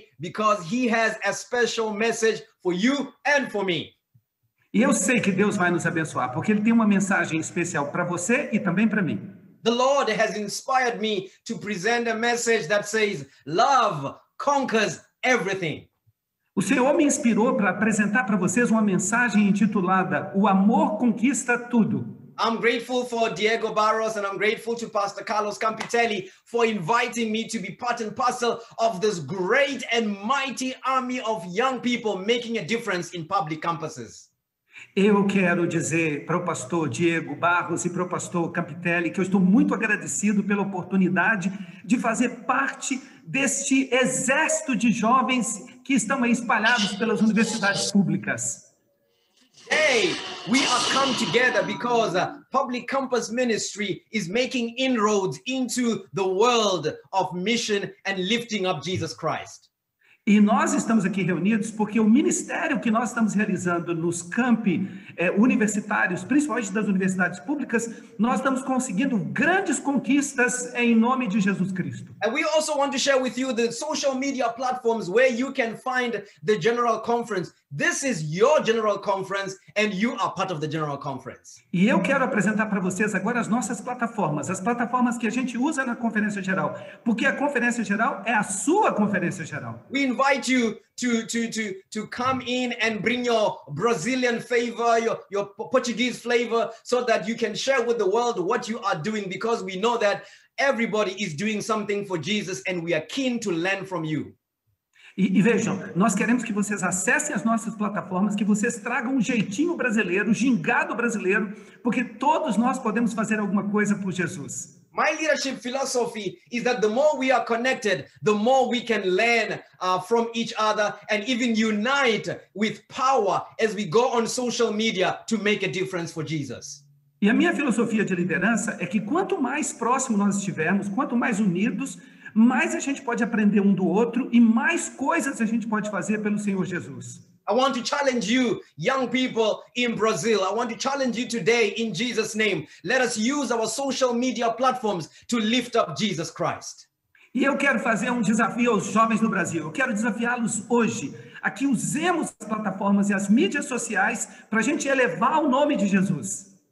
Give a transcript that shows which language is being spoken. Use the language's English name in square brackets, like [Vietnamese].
[English] because he has a special message for you and for me. [Portuguese] E eu sei que Deus vai nos abençoar, porque ele tem uma mensagem especial para você e também para mim. [English] The Lord has inspired me to present a message that says love conquers everything. [Portuguese] O Senhor me inspirou para apresentar para vocês uma mensagem intitulada O Amor Conquista Tudo. [English] I'm grateful for Diego Barros and I'm grateful to Pastor Carlos Campitelli for inviting me to be part and parcel of this great and mighty army of young people making a difference in public campuses. [Portuguese] Eu quero dizer para o pastor Diego Barros e para o pastor Campitelli que eu estou muito agradecido pela oportunidade de fazer parte deste exército de jovens que estão espalhados pelas universidades públicas. [English] Hey, we are come together because Public Campus Ministry is making inroads into the world of mission and lifting up Jesus Christ. [Portuguese] E nós estamos aqui reunidos porque o ministério que nós estamos realizando nos campi universitários, principalmente das universidades públicas, nós estamos conseguindo grandes conquistas em nome de Jesus Cristo. [English] And we also want to share with you the social media platforms where you can find the General Conference. This is your General Conference and you are part of the General Conference. [Portuguese] E eu quero apresentar para vocês agora as nossas plataformas, as plataformas que a gente usa na Conferência Geral, porque a Conferência Geral é a sua Conferência Geral. [English] Invite you to come in and bring your Brazilian flavor, your Portuguese flavor, so that you can share with the world what you are doing, because we know that everybody is doing something for Jesus and we are keen to learn from you. [Portuguese] E vejam, nós queremos que vocês acessem as nossas plataformas, que vocês tragam um jeitinho brasileiro, um gingado brasileiro, porque todos nós podemos fazer alguma coisa por Jesus. [English] My leadership philosophy is that the more we are connected, the more we can learn from each other and even unite with power as we go on social media to make a difference for Jesus. [Portuguese] E a minha filosofia de liderança é que quanto mais próximo nós estivermos, quanto mais unidos, mais a gente pode aprender um do outro e mais coisas a gente pode fazer pelo Senhor Jesus. [English] I want to challenge you, young people in Brazil. I want to challenge you today in Jesus' name. Let us use our social media platforms to lift up Jesus Christ. [Portuguese] E eu quero fazer um desafio aos jovens do Brasil. Eu quero desafiá-los hoje a que usemos as plataformas e as mídias sociais para a gente elevar o nome de Jesus.